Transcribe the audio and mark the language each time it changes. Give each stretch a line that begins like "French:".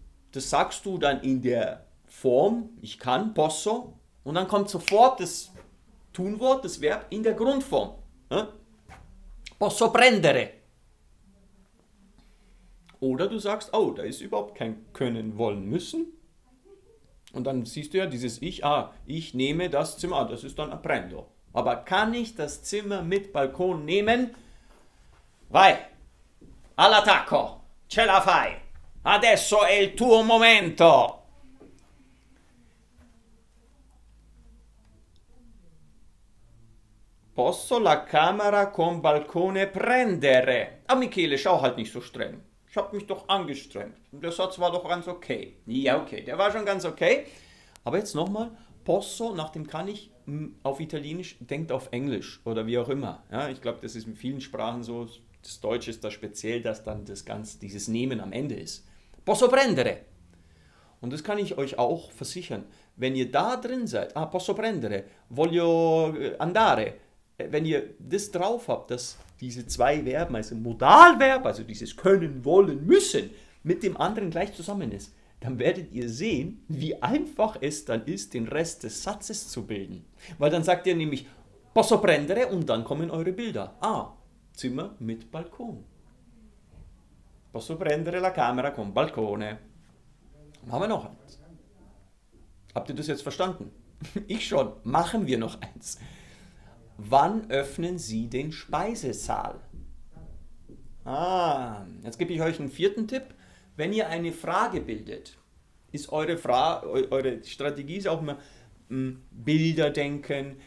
German: Das sagst du dann in der Form, ich kann,
Italian: posso,
German: und dann kommt sofort das Tunwort, das Verb in der Grundform.
Italian: Posso prendere.
German: Oder du sagst, oh, da ist überhaupt kein können, wollen, müssen. Und dann siehst du ja dieses Ich, ah, ich nehme das Zimmer, das ist dann
Italian: apprendo.
German: Aber kann ich das Zimmer mit Balkon nehmen?
Italian: Vai, all'attacco, ce la fai. Adesso è il tuo momento. Posso la camera con balcone prendere?
German: Ah, Michele, schau halt nicht so streng. Ich habe mich doch angestrengt. Der Satz war doch ganz okay. Ja, okay, der war schon ganz okay. Aber jetzt nochmal.
Italian: Posso,
German: nach dem kann ich auf Italienisch, denkt auf Englisch oder wie auch immer. Ja, ich glaube, das ist in vielen Sprachen so. Das Deutsche ist da speziell, dass dann das ganze, dieses Nehmen am Ende ist.
Italian: Posso prendere?
German: Und das kann ich euch auch versichern. Wenn ihr da drin seid, ah,
Italian: posso prendere, voglio andare,
German: wenn ihr das drauf habt, dass diese zwei Verben, also Modalverb, also dieses können, wollen, müssen, mit dem anderen gleich zusammen ist, dann werdet ihr sehen, wie einfach es dann ist, den Rest des Satzes zu bilden. Weil dann sagt ihr nämlich
Italian: posso prendere
German: und dann kommen eure Bilder. Ah, Zimmer mit Balkon.
Italian: Posso prendere la camera con balcone?
German: Machen wir noch eins. Habt ihr das jetzt verstanden? Ich schon. Machen wir noch eins. Wann öffnen Sie den Speisesaal? Ah, jetzt gebe ich euch einen vierten Tipp. Wenn ihr eine Frage bildet, ist eure Frage, eure Strategie ist auch immer Bilder denken.